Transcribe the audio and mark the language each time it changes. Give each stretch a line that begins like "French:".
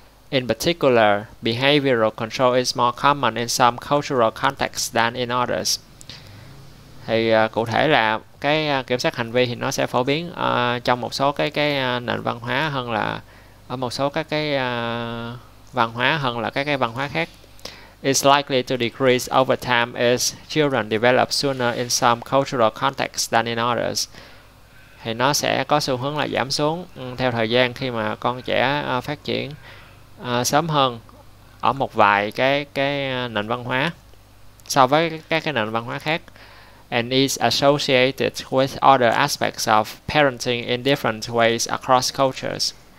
English: In particular, behavioral control is more common in some cultural contexts than in others.
Vietnamese: Thì cụ thể là cái kiểm soát hành vi thì nó sẽ phổ biến trong một số cái nền văn hóa hơn là ở một số các cái văn hóa hơn là các cái văn hóa khác.
English: It's likely to decrease over time as children develop sooner in some cultural contexts than in others.
Vietnamese: Thì nó sẽ có xu hướng là giảm xuống theo thời gian khi mà con trẻ phát triển sớm hơn ở một vài cái nền văn hóa so với các cái nền văn hóa khác.
English: And is associated with other aspects of parenting in different ways across cultures.